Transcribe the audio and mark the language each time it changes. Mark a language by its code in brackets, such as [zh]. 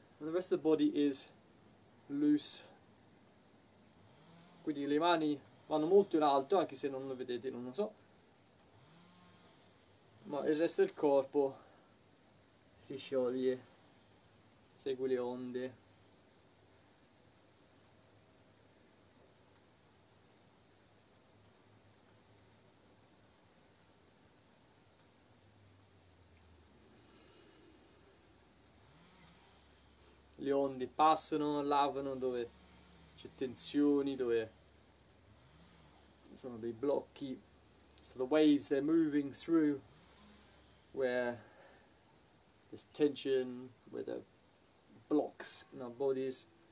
[en] And the rest of the body is loose. [it] Quindi le mani vanno molto in alto, anche se non lo vedete, non lo so. Ma il resto del corpo si scioglie. Segue le onde. Le onde passano, lavano dove c'è tensioni, dove sono dei blocchi. [en] So the waves, they're moving through where there's tension, where the blocks in our bodies.